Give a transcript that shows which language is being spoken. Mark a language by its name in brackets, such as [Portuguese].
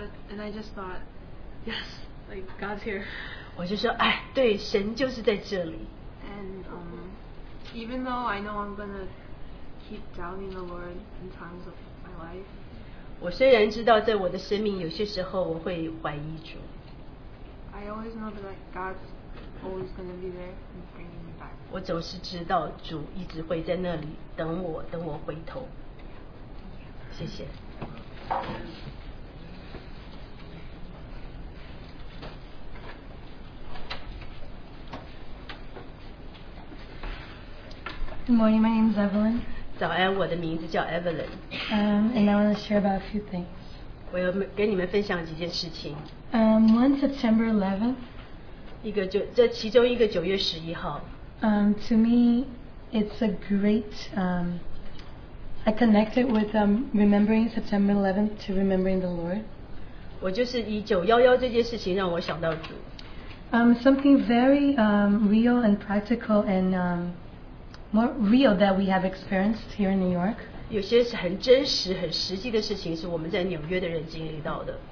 [English] And I just thought, yes, like God's here. [Chinese] 我就说，哎，对，神就是在这里。 [English] And even though I know I'm gonna keep doubting the Lord in times of my life, [Chinese] 我虽然知道在我的生命有些时候我会怀疑主。 [English] I always know that God's always gonna be there and bringing me back. [Chinese] 我总是知道主一直会在那里等我，等我回头。谢谢。 [English] Good morning, my name is Evelyn. [Chinese] 早安，我的名字叫 Evelyn. [English] And I want to share about a few things. [Chinese] 我要跟你们分享几件事情。 [English] On September 11th, [Chinese] 这其中一个9月11号。 [English] To me, it's a great, I connected with remembering September 11th to remembering the Lord. [Chinese] 我就是以911这件事情让我想到主。 [English] Something very real and practical and more real that we have experienced here in New York. [Chinese] 有些是很真实很实际的事情是我们在纽约的人经历到的。